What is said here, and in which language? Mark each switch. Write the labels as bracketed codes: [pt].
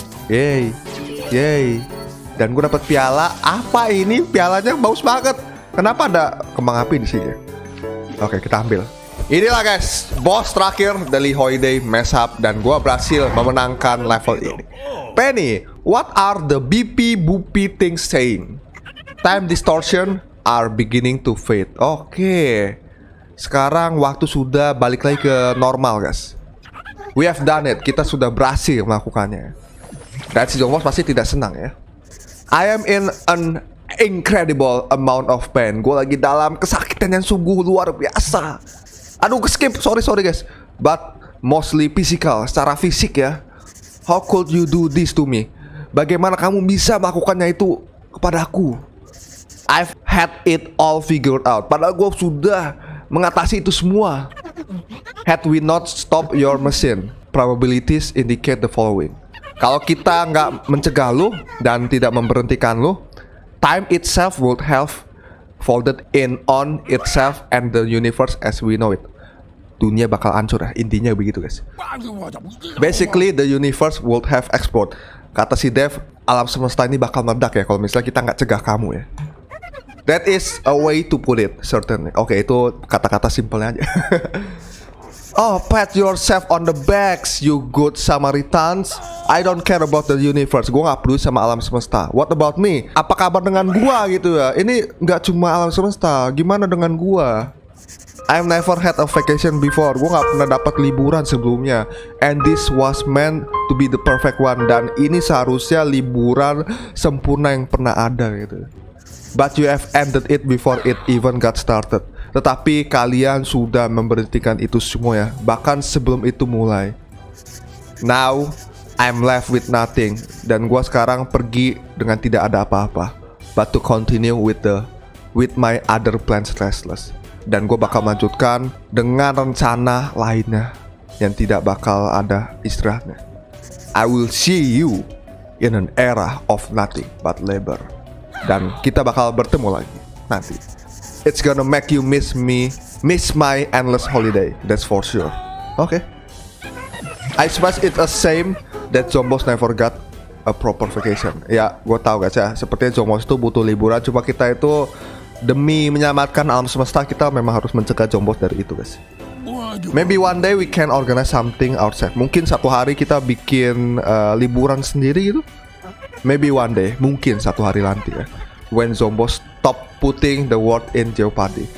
[id] Yeay, yeay. Dan gue dapet piala. Apa ini? Pialanya bagus banget. Kenapa ada kembang api di sini? Oke, kita ambil. Inilah guys, boss terakhir dari holiday mashup dan gua berhasil memenangkan level ini. [en] Penny, what are the beepy boopy things saying? Time distortion are beginning to fade. Oke. [id] Sekarang waktu sudah balik lagi ke normal, guys. [en] We have done it. [id] Kita sudah berhasil melakukannya. Dan si Zomboss pasti tidak senang ya. [en] I am in an incredible amount of pain. [id] Gua lagi dalam kesakitan yang sungguh luar biasa. Aduh, keskip. [en] Sorry guys. But mostly physical, [id] secara fisik ya. [en] How could you do this to me? [id] Bagaimana kamu bisa melakukannya itu kepadaku? [en] I've had it all figured out. [id] Padahal gua sudah mengatasi itu semua. [en] Had we not stop your machine, probabilities indicate the following. [id] Kalau kita nggak mencegah lu dan tidak memberhentikan lu, [en] time itself would have folded in on itself and the universe as we know it. [id] Dunia bakal hancur ya, intinya begitu guys. [en] Basically the universe would have exploded. [id] Kata si Dev, alam semesta ini bakal meledak ya kalau misalnya kita nggak cegah kamu ya. [en] That is a way to put it, certainly. Okay, [id] itu kata-kata simpelnya aja. [en] Oh, pat yourself on the backs, you good Samaritans. I don't care about the universe. [id] Gua gak peduli sama alam semesta. [en] What about me? [id] Apa kabar dengan gua gitu ya? Ini gak cuma alam semesta. Gimana dengan gua? [en] I've never had a vacation before. [id] Gua gak pernah dapat liburan sebelumnya. [en] And this was meant to be the perfect one. [id] Dan ini seharusnya liburan sempurna yang pernah ada gitu. [en] But you have ended it before it even got started. [id] Tetapi kalian sudah memberhentikan itu semua ya, bahkan sebelum itu mulai. [en] Now I'm left with nothing. [id] Dan gua sekarang pergi dengan tidak ada apa-apa. [en] But to continue with my other plans restless. [id] Dan gua bakal melanjutkan dengan rencana lainnya yang tidak bakal ada istirahatnya. [en] I will see you in an era of nothing but labor. [id] Dan kita bakal bertemu lagi nanti. [en] It's gonna make you miss me, miss my endless holiday, that's for sure. Okay. I suppose it's a shame that Zomboss never got a proper vacation. [id] Ya, gua tahu guys ya, sepertinya Zomboss itu butuh liburan. Cuma kita itu demi menyelamatkan alam semesta, kita memang harus mencegah Zomboss dari itu guys. [en] Maybe one day we can organize something ourselves. [id] Mungkin satu hari kita bikin liburan sendiri gitu. [en] Maybe one day, [id] mungkin satu hari nanti ya. [en] When Zomboss stop putting the world in jeopardy.